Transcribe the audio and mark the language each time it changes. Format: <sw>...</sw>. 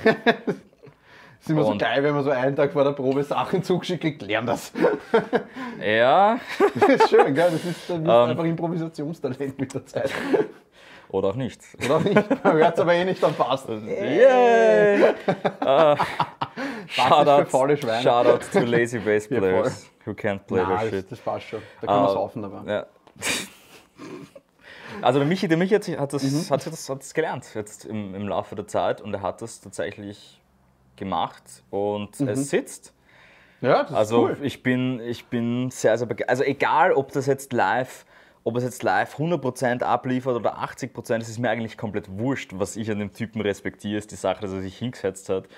<de>Das ist immer und so geil, wenn man so einen Tag vor der Probe Sachen zugeschickt kriegt, lern das. Ja. Das ist schön, gell? Das ist einfach Improvisationstalent mit der Zeit. Oder auch nicht. Oder auch nicht. Man hört es aber eh nicht am Bass. Yay!</de> <en>Shoutout to lazy bass players, ja, who can't play their shit.</en> <de>Das passt schon. Da kann man saufen dabei. Ja. Also der Michi hat das gelernt jetzt im Laufe der Zeit und er hat das tatsächlich gemacht und es sitzt. Ja, das ist also cool. Ich bin sehr, sehr begeistert. Also egal, ob es jetzt live 100% abliefert oder 80%, es ist mir eigentlich komplett wurscht, was ich an dem Typen respektiere, ist die Sache, dass er sich hingesetzt hat.</de>